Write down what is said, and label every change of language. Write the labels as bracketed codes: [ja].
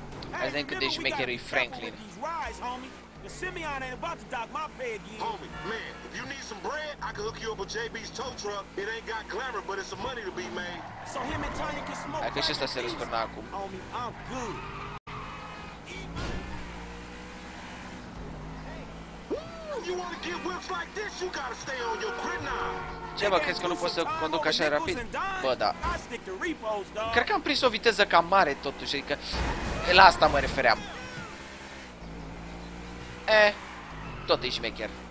[ro] Hai zi-ne cât de șmecherul-i Franklin. [en] The Simeon ain't about to dock my pay again. Homie, man, if you need some bread, I can hook you up with JB's tow truck. It ain't got glamour, but it's some money to be made. So him and Tanya can smoke. [ro] Hai că și ăsta se răsturnă acum. [en] Homie, I'm good. Woo, you wanna get whips like this, you gotta stay on your grid now. [ro] Ce bă, crezi că nu pot să conduc așa rapid? Bă, da. Cred că am prins o viteză cam mare totuși, adică la asta mă refeream. Tot e șmecher.